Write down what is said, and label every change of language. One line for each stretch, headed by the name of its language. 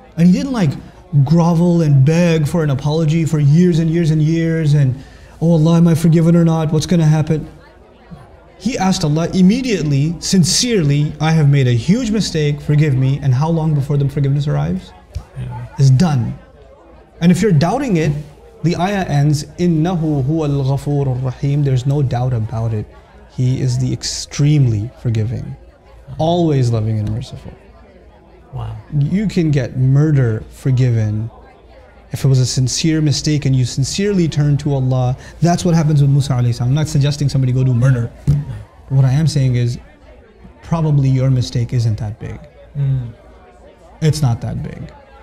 English: And he didn't like grovel and beg for an apology for years and years and years, and oh Allah, am I forgiven or not? What's going to happen? He asked Allah immediately, sincerely, I have made a huge mistake, forgive me. And how long before the forgiveness arrives? Yeah. It's done. And if you're doubting it, The ayah ends,
Arabic: إِنَّهُ هُوَ الْغَفُورُ الرَّحِيمُ.
English: There's no doubt about it. He is the extremely forgiving, always loving and merciful. Wow. You can get murder forgiven if it was a sincere mistake and you sincerely turn to Allah. That's what happens with Musa alayhi salam. I'm not suggesting somebody go do murder. But what I am saying is, probably your mistake isn't that big. It's not that big.